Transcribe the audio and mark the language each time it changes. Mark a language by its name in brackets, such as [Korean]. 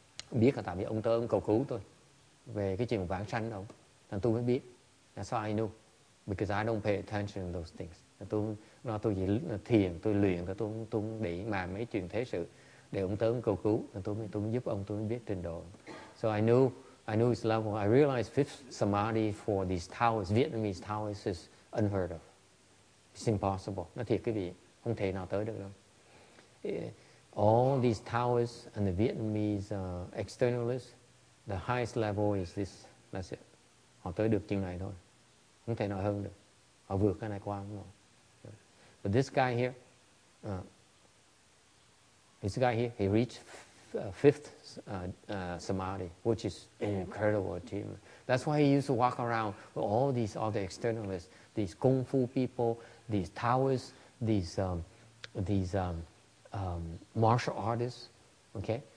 [Vietnamese] Biết là tại vì ông tới ông cầu cứu tôi về cái chuyện vãng sanh ông. Thành tôi mới biết. [English] That's why I knew. Because I don't pay attention to those things. [Vietnamese] Tôi chỉ thiền, tôi luyện, tôi không để mà mấy chuyện thế sự. Để ông tới ông cầu cứu. Tôi mới giúp ông, tôi mới biết trình độ. [English] So I knew his level. I realized fifth samadhi for these Taoists, Vietnamese Taoists, is unheard of. It's impossible. [Vietnamese] Nó thiệt quý vị, không thể nào tới được đâu. [English] All these Taoists and the Vietnamese externalists, the highest level is this. That's it. [Vietnamese] Họ tới được chừng này thôi. Không thể nào hơn được. Họ vượt cái này qua không rồi. [English] But this guy here, he reached fifth samadhi, which is an incredible achievement. That's why he used to walk around with all these other externalists, these kung fu people, these Taoists, these martial artists, okay?